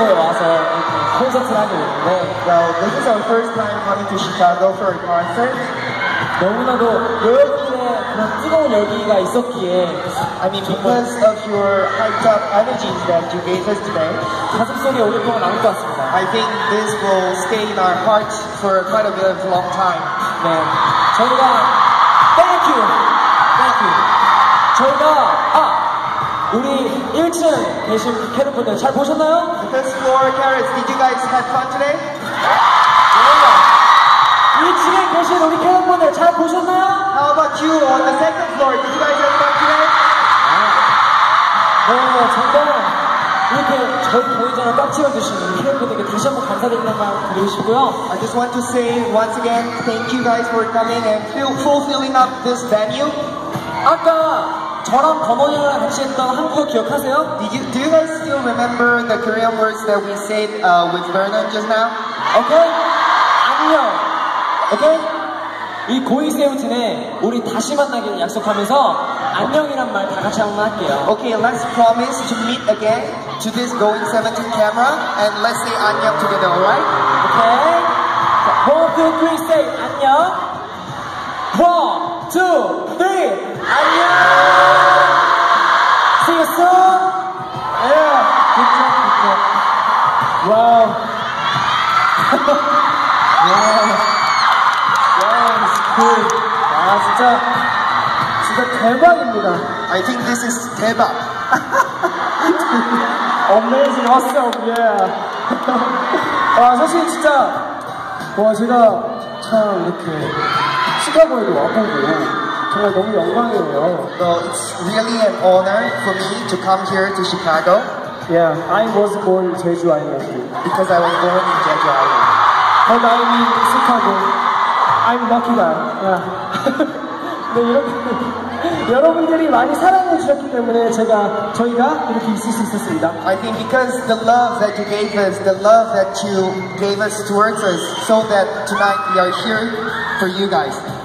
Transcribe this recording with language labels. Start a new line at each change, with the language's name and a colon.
English: Well, this is our first time coming to Chicago for a concert.
Korean: 너무나도 열기에 뜨거운 열기가 있었기에.
English: I mean, because of your hyped up energies that you gave us today.
Korean: 가슴 속에 오랫동안 남을 것 같습니다.
English: I think this will stay in our hearts for quite a bit of long time.
Korean: 네, 저희가
English: thank you, thank you.
Korean: 저희가 우리 1층 계신 캐럿분들 잘 보셨나요?
English: The first floor carrots, did you guys have fun today?
Korean: 1층에 계신 우리 캐럿분들 잘 보셨나요?
English: How about you on the second floor? Did you guys have fun today?
Korean: 네, 정말 이렇게 저희 보이잖아 꽉 채워주신 우리 캐럿분들께 다시 한번 감사드리는 말 드리고 싶고요.
English: I just want to say once again, thank you guys for coming and fulfilling up this venue.
Korean: 아까 저랑 범원이랑 같이 했던 한국어 기억하세요?
English: Do you guys still remember the Korean words that we said with Vernon just now? Okay?
Korean: 아니요.
English: Okay?
Korean: 이 고이세븐틴에 우리 다시 만나기로 약속하면서 안녕이란 말 다 같이 한번 할게요.
English: Okay, let's promise to meet again to this Going 17 camera and let's say 안녕 together, alright? Okay? 자, 1, 2, 3, say 안녕. 1, 2, 3, 안녕! See you soon! Yeah! Good job, good job. Wow! Wow, it's cool!
Korean: Wow, 진짜, 진짜 대박입니다!
English: I think this is 대박! Amazing, awesome, yeah!
Korean: 와, 사실 진짜, 와, 제가 참 이렇게 시카고에도 와보고 정말 너무 영광이에요.
English: So it's really an honor for me to come here to Chicago. Yeah, I was born in Jeju Island. Because I was born in Jeju Island.
Korean: 더 나오기 익숙하고
English: I'm lucky guy. Yeah.
Korean: 네, 이렇게 여러분들이 많이 사랑해 주셨기 때문에 제가 저희가 이렇게 있을 수 있었습니다.
English: I think because the love that you gave us, the love that you gave us towards us, so that tonight we are here for you guys.